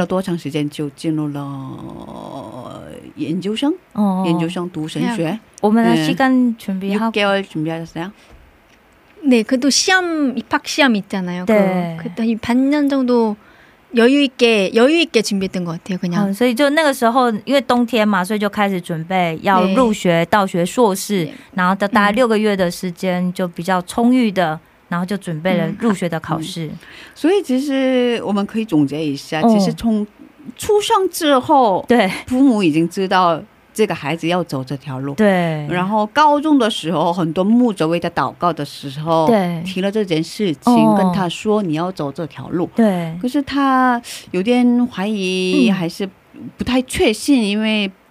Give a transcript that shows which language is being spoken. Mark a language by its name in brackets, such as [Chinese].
[Chinese] 这是对的选择，这是正确的道路，你要走的道路。上帝一直确认，一直跟他，一直给他信心。对对对，你感觉得没有错，我确实就是要呼召你这样。我觉得上帝很体贴啊，上帝一直给他信心啊，鼓励他。我觉得上帝是一个好贴心的，好贴心的引导者。然后你准备了多长时间就进入了研究生，研究生读神学，我们的时间准备好， [Korean] 6개월준비하셨어요? 네, 그래도 시험 입학 시험 있잖아요. 네. 그때 한 반년 정도 여유 있게 준비했던 것 같아요. 그냥。 [Chinese] 所以就那个时候，因为冬天嘛，所以就开始准备要入学、到学硕士，然后大概6个月的时间就比较充裕的。然后就准备了入学的考试。所以其实我们可以总结一下，其实从出生之后，对，父母已经知道这个孩子要走这条路。对，然后高中的时候，很多牧者为他祷告的时候，对，提了这件事情跟他说你要走这条路。对，可是他有点怀疑，还是不太确信，因为